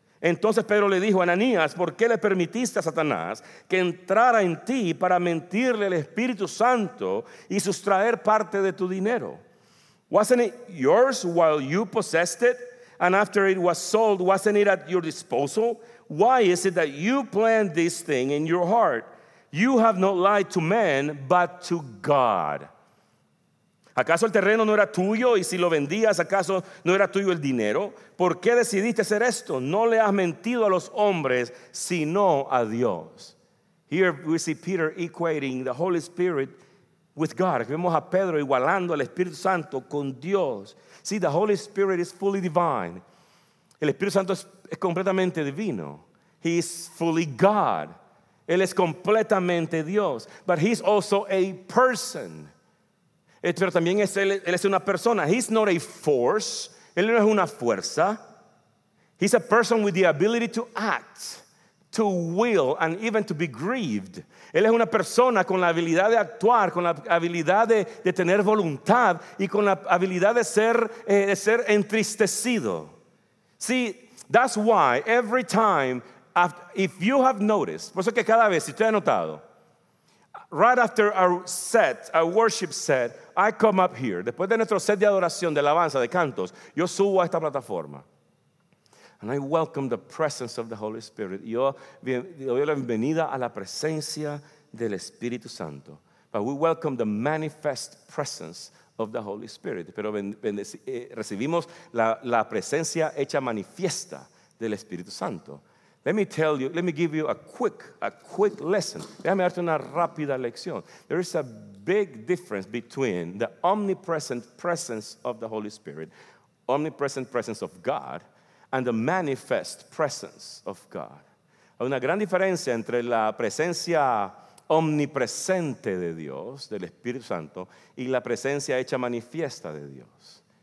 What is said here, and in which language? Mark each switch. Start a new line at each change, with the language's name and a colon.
Spanish: Entonces Pedro le dijo, Ananías, ¿por qué le permitiste a Satanás que entrara en ti para mentirle al Espíritu Santo y sustraer parte de tu dinero?
English: Wasn't it yours while you possessed it? And after it was sold, wasn't it at your disposal? Why is it that you planned this thing in your heart? You have not lied to men, but to God.
Spanish: ¿Acaso el terreno no era tuyo? Y si lo vendías, ¿acaso no era tuyo el dinero? ¿Por qué decidiste hacer esto? No le has mentido a los hombres, sino a Dios.
English: Here we see Peter equating the Holy Spirit with God.
Spanish: Vemos a Pedro igualando al Espíritu Santo con Dios.
English: See, the Holy Spirit is fully divine.
Spanish: El Espíritu Santo es completamente divino.
English: He is fully God.
Spanish: Él es completamente Dios.
English: But he's also a person.
Spanish: Pero también él es una persona.
English: He's not a force.
Spanish: Él no es una fuerza.
English: He's a person with the ability to act, to will, and even to be grieved.
Spanish: Él es una persona con la habilidad de actuar, con la habilidad de tener voluntad y con la habilidad de ser entristecido.
English: See, that's why every time, if you have noticed,
Spanish: por eso que cada vez, si usted ha notado,
English: right after our worship set, I come up here.
Spanish: Después de nuestro set de adoración, de alabanza, de cantos, yo subo a esta plataforma.
English: And I welcome the presence of the Holy Spirit.
Spanish: Yo doy la bienvenida a la presencia del Espíritu Santo.
English: But we welcome the manifest presence of the Holy Spirit.
Spanish: Pero recibimos la presencia hecha manifiesta del Espíritu Santo.
English: Let me give you a quick lesson.
Spanish: Déjame darte una rápida lección.
English: There is a big difference between the omnipresent presence of the Holy Spirit, omnipresent presence of God, and the manifest presence of God.
Spanish: Hay una gran diferencia entre la presencia omnipresente de Dios, del Espíritu Santo, y la presencia hecha manifiesta de Dios.